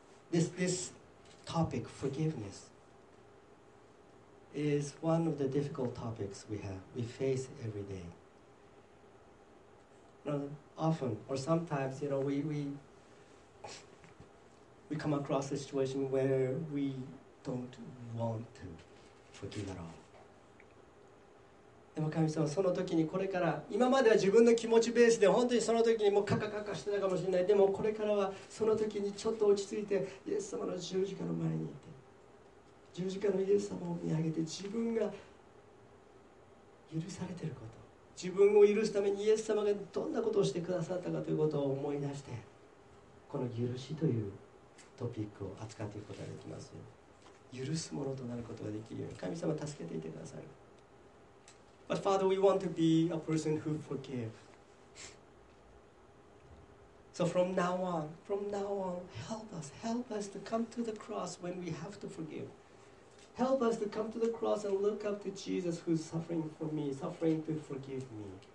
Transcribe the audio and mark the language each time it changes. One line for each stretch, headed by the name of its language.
English: This topic, forgiveness, is one of the difficult topics we face every day. You know, often, or sometimes, you know, we come across a situation where we don't want to forgive at all.
Japanese: でも神様、その時にこれから、今までは自分の気持ちベースで本当にその時にもうカカカカしてたかもしれない。でもこれからはその時にちょっと落ち着いてイエス様の十字架の前にいて、十字架のイエス様を見上げて自分が許されていること、自分を許すためにイエス様がどんなことをしてくださったかということを思い出して、この許しというトピックを扱っていくことができます。許すものとなることができるように神様助けていてください。
English: But Father, we want to be a person who forgives. So from now on, help us to come to the cross when we have to forgive. Help us to come to the cross and look up to Jesus who's suffering for me, suffering to forgive me.